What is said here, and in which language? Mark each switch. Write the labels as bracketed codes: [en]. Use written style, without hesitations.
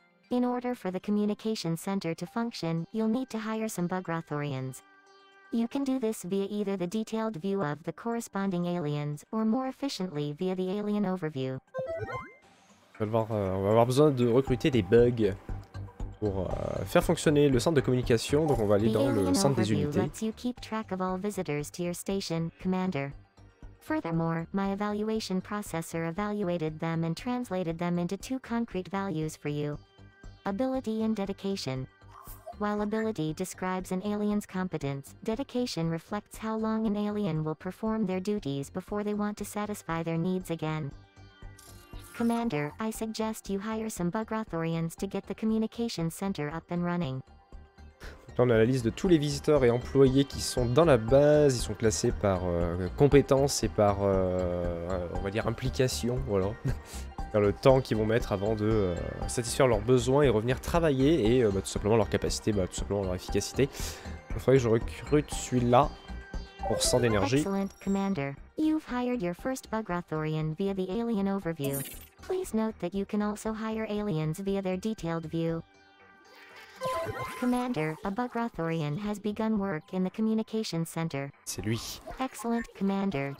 [en] In order for the communication center to function, you'll need to hire some bug Arthurians. You can do this via either the detailed view of the corresponding aliens, or more efficiently via the alien overview. [fr] On va avoir besoin de recruter des bugs pour faire fonctionner le centre de communication, donc on va aller dans le centre des unités. [en] Lets you keep track of all visitors to your station, Commander. Furthermore, my evaluation processor evaluated them and translated them into two concrete values for you. Ability and dedication. While ability describes an alien's competence, dedication reflects how long an alien will perform their duties before they want to satisfy their needs again. Commander, I suggest you hire some bug Arthurians to get the communication center up and running. [fr] Là, on a la liste de tous les visiteurs et employés qui sont dans la base. Ils sont classés par compétences et par, on va dire, implication, voilà. Dans le temps qu'ils vont mettre avant de satisfaire leurs besoins et revenir travailler. Et tout simplement leur capacité, tout simplement leur efficacité. Il faudrait que je recrute celui-là pour 100 d'énergie. [en] Excellent, Commander. You've hired your first bug Arthurian via the alien overview. Please note that you can also hire aliens via their detailed view. Commander, a bug Arthurian has begun work in the communication center. [fr] C'est lui. [en] Excellent, Commander.